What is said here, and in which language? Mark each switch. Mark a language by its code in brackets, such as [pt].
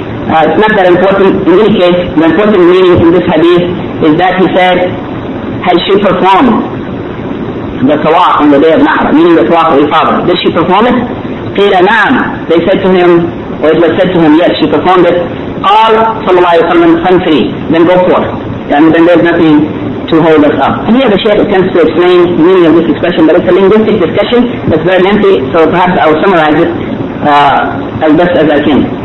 [en] It's not that important. In any case, the important meaning in this hadith is that he said, has she performed the tawaf on the day of Nahr, meaning the tawaf of Ifada? Did she perform it? [ar] قيل نعم. [en] They said to him, or it was said to him, yes, she performed it. [ar] قال صلى الله عليه وسلم فانفري. [en] Then go forth. And then there's nothing to hold us up. And here the Shaykh attempts to explain the meaning of this expression, but it's a linguistic discussion that's very lengthy, so perhaps I'll summarize it as best as I can.